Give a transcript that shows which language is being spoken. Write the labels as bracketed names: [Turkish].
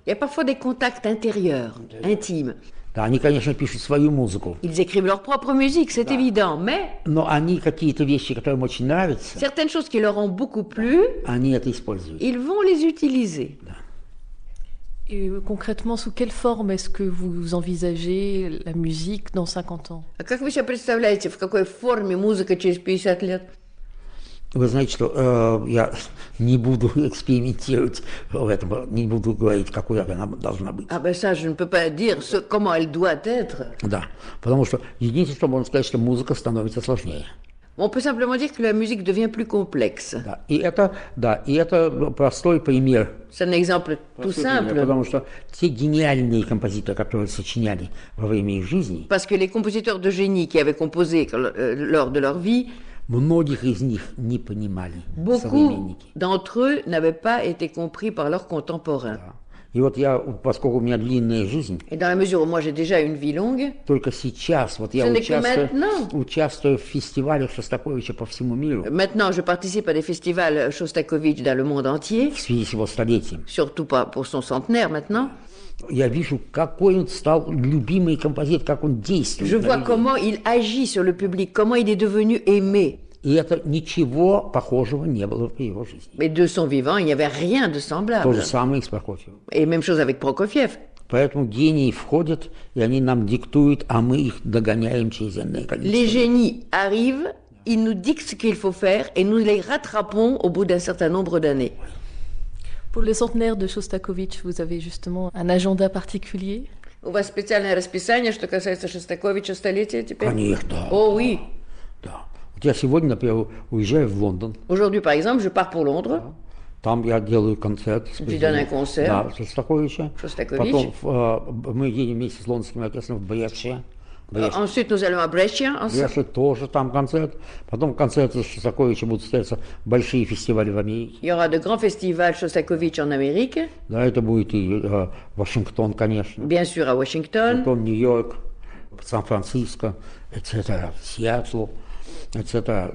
[French] Il y a parfois des contacts intérieurs, intimes. [Russian] Да, они, конечно, пишут свою музыку. [French] Ils écrivent leur propre musique, c'est évident, mais... [Russian] Но они какие-то вещи, которые им очень нравятся... [French] Certaines choses qui leur ont beaucoup plu... [Russian] Они это используют. [French] Ils vont les utiliser. [Russian] Да. [French] Et concrètement, sous quelle forme est-ce que vous envisagez la musique dans 50 ans? [Russian] А как вы себе представляете, в какой форме музыка через 50 лет? Вы знаете, что я не буду экспериментировать в этом, не буду говорить, какой она должна быть. [French] Ah, ben ça, je ne peux pas dire ce, comment elle doit être. [Russian] Да, потому что единственное, что можно сказать, что музыка становится сложнее. [French] On peut simplement dire que la musique devient plus complexe. [Russian] Да, и это, да, и это простой пример. [French] C'est un exemple tout simple. [Russian] Потому что те гениальные композиторы, которые сочиняли во время их жизни... [French] Parce que les compositeurs de génie qui avaient composé lors de leur vie... [Russian] Многих из них не понимали [French] Beaucoup [Russian] современники. [French] D'entre eux n'avaient pas été compris par leurs contemporains. [Russian] Да. И вот я, поскольку у меня длинная жизнь, [French] Et dans la mesure où moi j'ai déjà une vie longue, [Russian] только сейчас, вот я участвую в фестивалях Шостаковича по всему миру. [French] Maintenant, je participe à des festivals Шостакович dans le monde entier. [Russian] В связи с его столетием. [French] Surtout pas pour son centenaire maintenant. [Russian] Я вижу, какой он стал любимый композитор, как он действует. [French] Je vois comment il agit sur le public, comment il est devenu aimé. [Russian] И это ничего похожего не было в его жизни. [French] Mais de son vivant, il n'y avait rien de semblable. [Russian] То же самое и с Прокофьевым. [French] Et même chose avec Prokofiev. [Russian] Поэтому гении входят, и они нам диктуют, а мы их догоняем через энное количество. [French] Les génies arrivent, ils nous dictent ce qu'il faut faire, et nous les rattrapons au bout d'un certain nombre d'années. Pour le centenaire de Шостакович, vous avez justement un agenda particulier? [Russian] У вас специальное расписание, что касается Шостаковича, столетия теперь? Конечно. [French] О, oui. [Russian] Да. Вот я сегодня, например, уезжаю в Лондон. [French] Aujourd'hui, par exemple, je pars pour Londres. [Russian] Да. Там я делаю концерт. [French] Tu donnes un concert. [Russian] Да, Шостаковича. Шостакович. Потом мы едем вместе с лондонским оркестром в Брешье. [French] Ensuite, nous allons à Brescia. [Russian] Брешье тоже там концерт. Потом концерты Шостаковича будут состояться большие фестивали в Америке. [French] Il y aura de grands festivals Шостакович en Amérique. [Russian] Да, это будет и Вашингтон, конечно. [French] Bien sûr, à Washington. [Russian] Потом Нью-Йорк, Сан-Франциско, etc., Сиэтл, etc.